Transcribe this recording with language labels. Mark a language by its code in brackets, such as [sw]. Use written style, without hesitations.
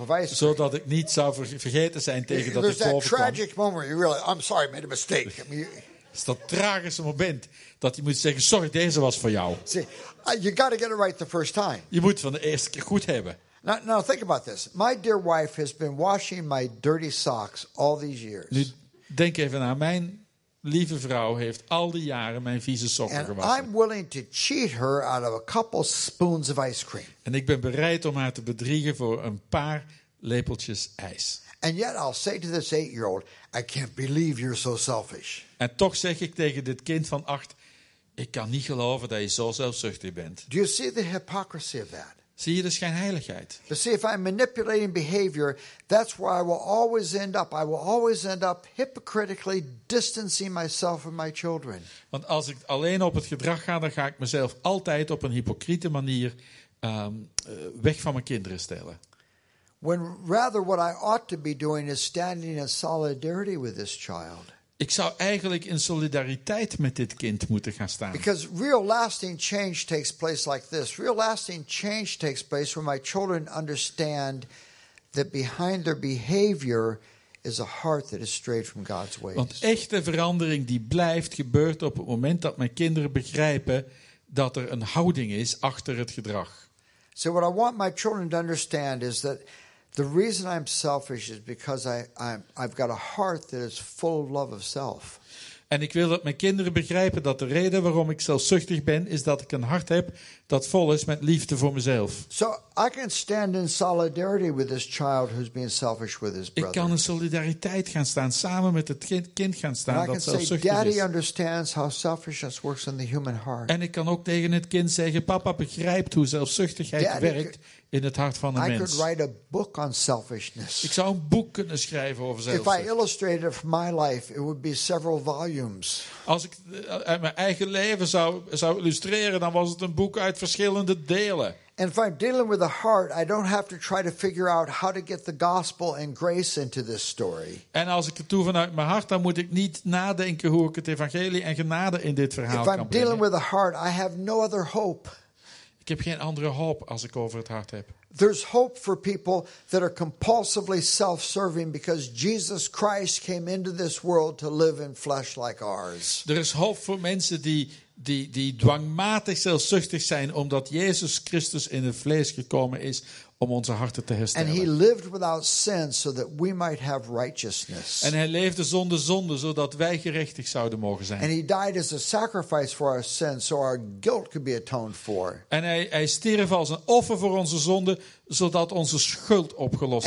[nl] Zodat ik niet zou vergeten zijn tegen dat [en] There's [nl] ik boven kwam. [en] Tragic moment you realize, I'm sorry, I made a mistake. I mean, [nl] is dat tragische moment dat je moet zeggen, sorry, deze was voor jou. [en] See, you gotta get it right the first time. [nl] Je moet van de eerste keer goed hebben. [en] Now think about this. My dear wife has been washing my dirty socks all these years. [nl] Nu denk even naar mijn lieve vrouw heeft al die jaren mijn vieze sokken [en] And [nl] gewassen. [en] I'm willing to cheat her out of a couple spoons of ice cream. [nl] En ik ben bereid om haar te bedriegen voor een paar lepeltjes ijs. [en] And yet I'll say to this 8-year-old, I can't believe you're so selfish. [nl] En toch zeg ik tegen dit kind van 8, ik kan niet geloven dat je zo zelfzuchtig bent. [en] Do you see the hypocrisy of that? [nl] Zie je de schijnheiligheid? [en] But see, if I'm manipulating behavior, that's where I will always end up. I will always end up hypocritically distancing myself from my children. [nl] Want als ik alleen op het gedrag ga, dan ga ik mezelf altijd op een hypocriete manier weg van mijn kinderen stellen. [en] When rather what I ought to be doing is standing in solidarity with this child. [nl] Ik zou eigenlijk in solidariteit met dit kind moeten gaan staan. [en] Because real lasting change takes place like this. Real lasting change takes place when my children understand that behind their behavior is a heart that is strayed from God's ways. [nl] Want echte verandering die blijft gebeurt op het moment dat mijn kinderen begrijpen dat er een houding is achter het gedrag. [en] So what I want my children to understand is that the reason I'm selfish is because I've got a heart that is full of love of self. [nl] En ik wil dat mijn kinderen begrijpen dat de reden waarom ik zelfzuchtig ben is dat ik een hart heb dat vol is met liefde voor mezelf. [en] So I can stand in solidarity with this child who's being selfish with his brother. [nl] Ik kan in solidariteit gaan staan samen met het kind gaan staan [en] and [nl] dat zelfzuchtig is. [en] Daddy understands how selfishness works in the human heart. [nl] En ik kan ook tegen het kind zeggen: papa begrijpt hoe zelfzuchtigheid werkt in het hart van een mens. [en] I could write a book on selfishness. [nl] Ik zou een boek kunnen schrijven over zelfzucht. [en] If I illustrated it from my life, it would be several volumes. [nl] Als ik uit mijn eigen leven zou illustreren, dan was het een boek uit verschillende delen. [en] And if I'm dealing with a heart, I don't have to try to figure out how to get the gospel and grace into this story. [nl] En als ik het doe vanuit mijn hart, dan moet ik niet nadenken hoe ik het evangelie en genade in dit verhaal kan brengen. [en] If I'm dealing with a heart, I have no other hope. [nl] Ik heb geen andere hoop als ik over het hart heb. [en] There's hope for people that are compulsively self-serving because Jesus Christ came into this world to live in flesh like ours. [nl] Er is hoop voor mensen die dwangmatig zelfzuchtig zijn omdat Jezus Christus in het vlees gekomen is om onze harten te herstellen. [en] And he lived without sin so that we might have righteousness. [nl] En hij leefde zonder zonde zodat wij gerechtig zouden mogen zijn. [en] And he died as a sacrifice for our sin so our guilt could be atoned for. [nl] En hij stierf als een offer voor onze zonde zodat onze schuld opgelost